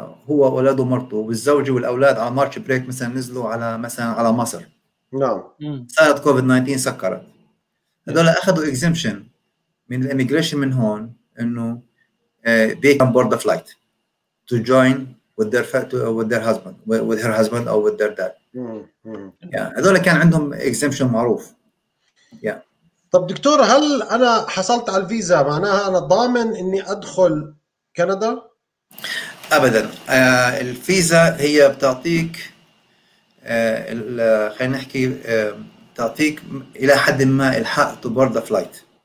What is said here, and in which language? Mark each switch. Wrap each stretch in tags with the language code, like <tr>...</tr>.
<ar>هو ولده ومرته والزوجة والأولاد على مارش بريك مثلا نزلوا على مثلا على مصر. نعم. صارت كوفيد 19 سكرت.</ar> <en>هذول أخذوا إكزيمشن من الإميجريشن من هون إنه they can board the flight to join with their husband with her husband or with their dad. Yeah.</en> <ar>هذول كان عندهم إكزيمشن معروف.</ar> <en>Yeah.</en> <ar>طب دكتور هل أنا حصلت على الفيزا معناها أنا ضامن إني أدخل كندا؟ أبداً. الفيزا هي بتعطيك خلينا نحكي تعطيك إلى حد ما الحق to board the flight.</ar>